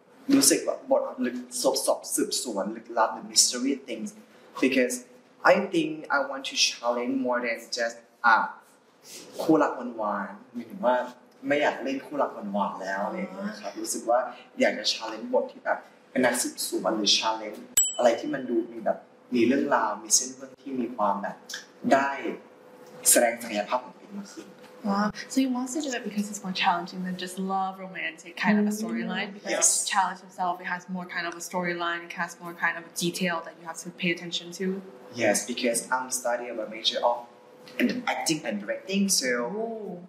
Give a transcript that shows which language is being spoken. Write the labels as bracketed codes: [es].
[en] It was like what the mystery things. Because I think I want to challenge more than just cool up on one. I mean, I don't want to play cool up on one. I feel like I want to challenge more than just cool up on one. [th] อะไรที่มันดูมีแบบมีเรื่องราวมีเส้นเรื่องที่มีความแบบได้แสดงศักยภาพของตัวเองมากขึ้น [en] Wow. So he wants to do it because it's more challenging than just love, romantic kind of a storyline. Because yes. Challenge himself, it has more kind of a storyline, it has more kind of a detail that you have to pay attention to. Yes, because I'm studying a major of acting and directing, so Ooh.